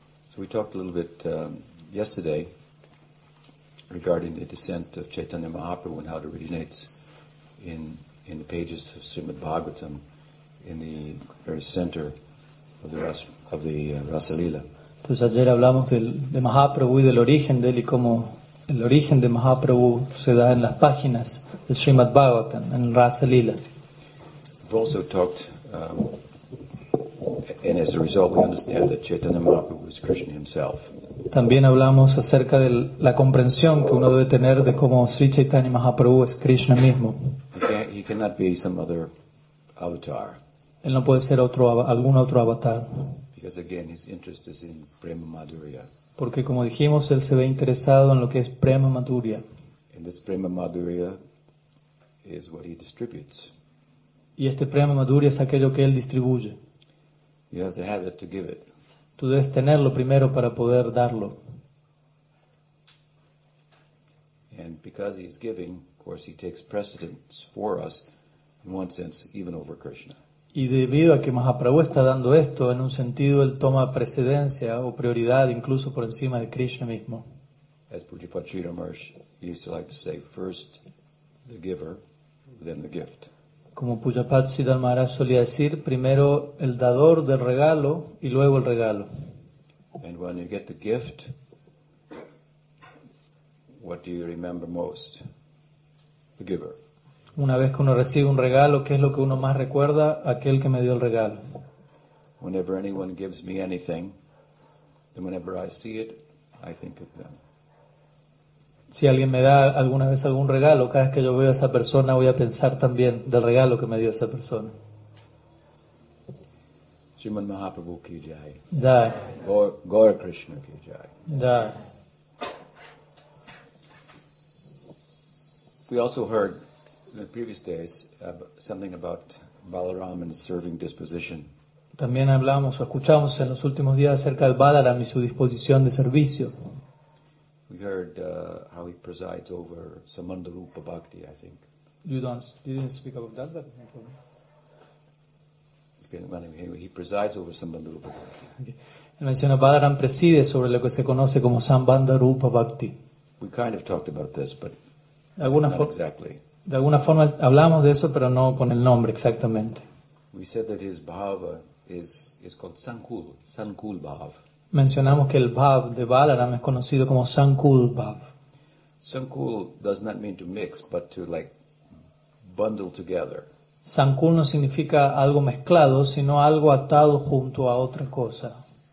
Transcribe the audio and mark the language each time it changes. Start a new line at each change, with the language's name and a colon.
English: So we talked a little bit yesterday regarding the descent of Chaitanya Mahaprabhu and how it originates in the pages of Srimad Bhagavatam, in the very center of the Rasalila.
Spanish: Pues ayer hablamos de Mahaprabhu y del origen de él y cómo el origen de Mahaprabhu se da en las páginas de Srimad Bhagavatam, en Rasalila.
English: We've also talked, and as a result we understand that Chaitanya Mahaprabhu is Krishna himself.
Spanish: También hablamos acerca de la comprensión que uno debe tener de cómo Sri Chaitanya Mahaprabhu es Krishna mismo.
English: He cannot be some other avatar.
Spanish: Él no puede ser algún otro avatar.
English: Because again, his interest is in Prema Madhurya.
Spanish: Porque como dijimos, él se ve interesado en lo que es Prema Madhurya.
English: And this Prema Madhurya is what he distributes.
Spanish: Y este Prema Madhurya es aquello que él distribuye.
English: You have to have it to give it.
Spanish: Tú debes tenerlo primero para poder darlo.
English: And because he is giving, of course, he takes precedence for us, in one sense, even over Krishna.
Spanish: Y debido a que Mahaprabhu está dando esto, en un sentido, él toma precedencia o prioridad incluso por encima de Krishna mismo.
English: As Pujipachita Marsh used to like to say, first the giver, then the gift.
Spanish: Como Pujipachita Marsh solía decir, primero el dador del regalo y luego el regalo.
English: And when you get the gift, what do you remember most? The giver.
Spanish: Una vez que uno recibe un regalo, ¿qué es lo que uno más recuerda? Aquel que me dio el regalo.
English: Whenever anyone gives me anything, then whenever I see it, I think of them.
Spanish: Si alguien me da alguna vez algún regalo, cada vez que yo veo a esa persona, voy a pensar también del regalo que me dio esa persona.
Hindi: Shriman Mahaprabhu ki jai. Jai. Gaur Krishna ki jai. Jai.
English: We also heard in the previous days something about Balaram and his serving disposition.
Spanish: También hablamos o escuchamos en los últimos días acerca de Balaram y su disposición de servicio.
English: We heard how he presides over Samandarupa Bhakti, I think. You didn't speak about that, but anyway, he presides over Samandarupa Bhakti.
Spanish: Él menciona Balaram preside sobre lo que se conoce como Samandarupa Bhakti.
English: We kind of talked about this, but
Spanish: de alguna forma hablamos de eso, pero no con el nombre exactamente.
English: We said that his bhava is called sankul, sankul bhav.
Spanish: Mencionamos que el bhav de Balaram es conocido como sankul bhav.
English: Sankul does not mean to mix, but to like bundle together.
Spanish: Sankul no significa algo mezclado, sino algo atado junto a otra cosa.